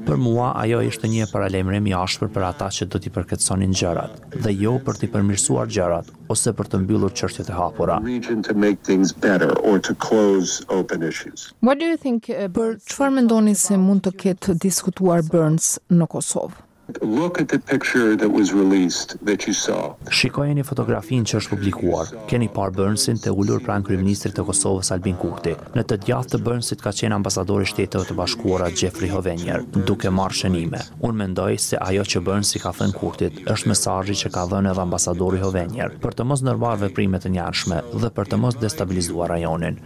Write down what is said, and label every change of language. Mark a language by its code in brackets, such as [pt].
[sq] Për mua ajo ishte një paralajmërim i ashpër për ata që do t'i përketësonin gjërat, dhe jo për t'i përmirësuar gjërat ose për të mbyllur çështjet e hapura. [en] What do you think [sq] për çfarë mendoni se mund të ketë diskutuar Burns në Kosovë? [en] Look at the picture that was released that you saw. [sq] Shikojeni fotografinë që është publikuar. Keni parë Burnsin të ulur pranë kryeministrit të Kosovës Albin Kurti. Në të djathtë të Burnsit ka qenë ambasadori i Shteteve të Bashkuara Jeffrey Hovenier, duke marrë shënime. Unë mendoj se ajo që Burnsi ka thënë Kurtit është mesazhi që ka dhënë edhe ambasadori Hovenier për të mos ndërmarrë veprime të njanshme dhe për të mos destabilizuar rajonin.